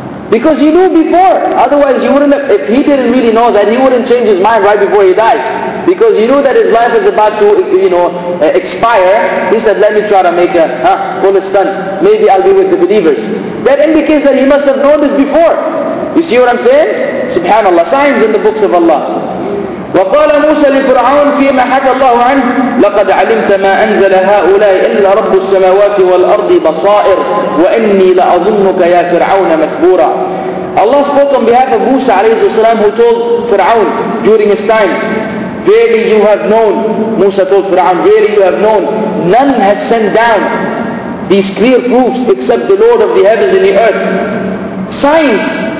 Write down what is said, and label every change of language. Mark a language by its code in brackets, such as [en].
[en] Because he knew before. Otherwise, he wouldn't have, if he didn't really know that, he wouldn't change his mind right before he died. Because he knew that his life is about to, you know, expire. He said, let me try to make a pull a stunt. Maybe I'll be with the believers. That indicates that he must have known this before. You see what I'm saying? Subhanallah. Signs in the books of Allah. [ar] وقال موسى لفرعون فيما حكى الله عنه لقد علمت ما أنزل هؤلاء إلا رب السماوات والأرض بصائر وإني لأظنك يا فرعون مكبورا. [en] Allah spoke on behalf of Musa عليه السلام, who told Fir'aun during his time, verily you have known, Musa told Fir'aun, verily you have known, none has sent down these clear proofs except the Lord of the heavens and the earth, signs.